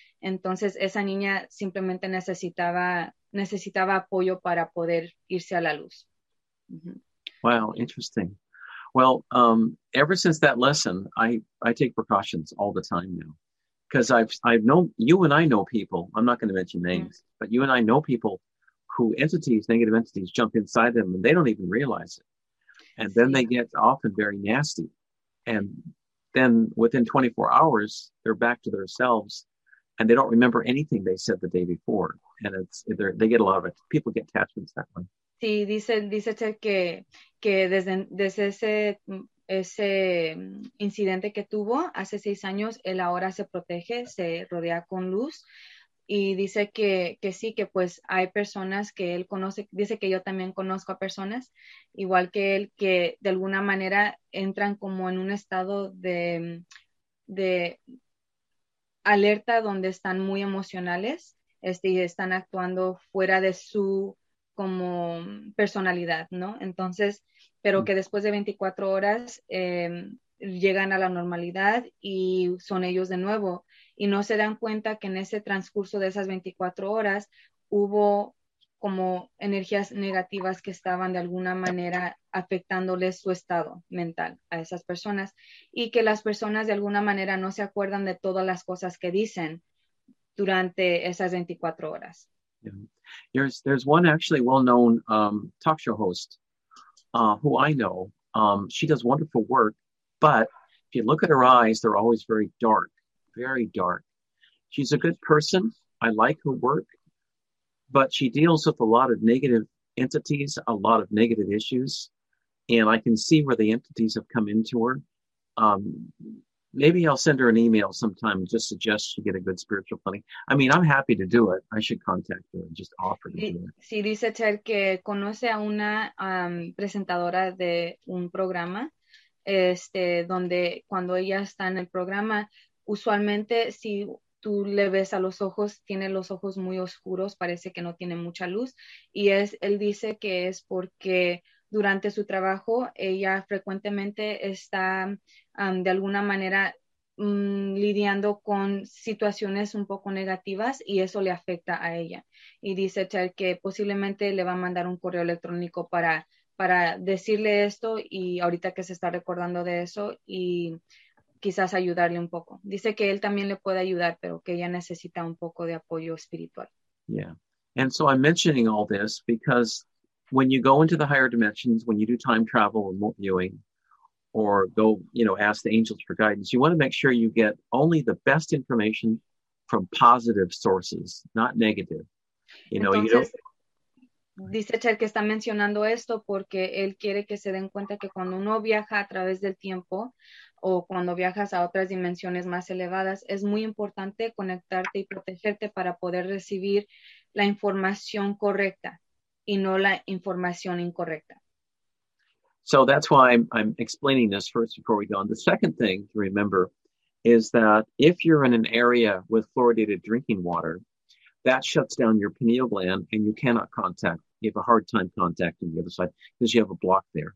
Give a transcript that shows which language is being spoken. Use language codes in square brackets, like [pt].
[es] Entonces, esa niña simplemente necesitaba apoyo para poder irse a la luz. [en] Mm-hmm. Wow, interesting. Well, ever since that lesson, I take precautions all the time now. Because I've known, you and I know people, I'm not going to mention names, mm-hmm. but you and I know people who entities, negative entities, jump inside them and they don't even realize it. And then they get often very nasty. And then within 24 hours, they're back to themselves and they don't remember anything they said the day before. And they get a lot of it. People get attachments that way. [es] Sí, dice que desde ese incidente que tuvo hace 6 años, él ahora se protege, se rodea con luz. Y dice que sí, que pues hay personas que él conoce, dice que yo también conozco a personas, igual que él, que de alguna manera entran como en un estado de alerta donde están muy emocionales, y están actuando fuera de su como personalidad, ¿no? Entonces, pero que después de 24 horas llegan a la normalidad y son ellos de nuevo. Y no se dan cuenta que en ese transcurso de esas 24 horas hubo como energías negativas que estaban de alguna manera afectándoles su estado mental a esas personas. Y que las personas de alguna manera no se acuerdan de todas las cosas que dicen durante esas 24 horas. [en] Yeah. There's one actually well-known talk show host who I know. She does wonderful work, but if you look at her eyes, they're always very dark. Very dark. She's a good person. I like her work, but she deals with a lot of negative entities, a lot of negative issues, and I can see where the entities have come into her. Maybe I'll send her an email sometime and just suggest she get a good spiritual planning. I mean, I'm happy to do it. I should contact her and just offer to do it. [es] Sí, dice Ted que conoce a una presentadora de un programa, donde cuando ella está en el programa. Usualmente, si tú le ves a los ojos, tiene los ojos muy oscuros, parece que no tiene mucha luz. Y él dice que es porque durante su trabajo, ella frecuentemente está de alguna manera lidiando con situaciones un poco negativas y eso le afecta a ella. Y dice Cher que posiblemente le va a mandar un correo electrónico para decirle esto y ahorita que se está recordando de eso y quizás ayudarle un poco. Dice que él también le puede ayudar, pero que ella necesita un poco de apoyo espiritual. [en] Yeah. And so I'm mentioning all this because when you go into the higher dimensions, when you do time travel, remote viewing, or go, you know, ask the angels for guidance, you want to make sure you get only the best information from positive sources, not negative. You know, [es] entonces, [en] you don't... [es] Dice Cher que está mencionando esto porque él quiere que se den cuenta que cuando uno viaja a través del tiempo o cuando viajas a otras dimensiones más elevadas, es muy importante conectarte y protegerte para poder recibir la información correcta y no la información incorrecta. [en] So that's why I'm explaining this first before we go on. The second thing to remember is that if you're in an area with fluoridated drinking water, that shuts down your pineal gland and you cannot contact. You have a hard time contacting the other side because you have a block there.